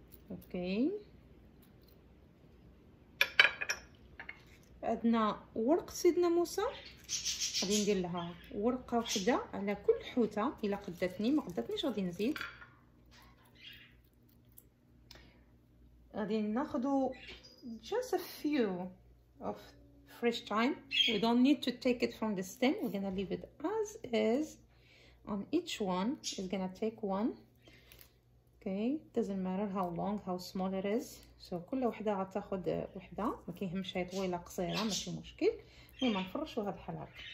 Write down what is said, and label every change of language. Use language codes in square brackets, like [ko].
[ar] اوكي، عندنا ورق سيدنا موسى، غادي ندير لها ورقة وحدة على كل حوتة الا قدتني، ما قدتنيش غادي نزيد. غادي ناخذ [en] just a few of fresh thyme. We don't need to take it from the stem. We're gonna leave it as is on each one. It's gonna take one. Okay, doesn't matter how long, how small it is. [ar] So كل وحده غتاخد وحده، ما كيهمش هي طويله قصيره، ماشي مشكل. المهم نفرشوها بحال هكا.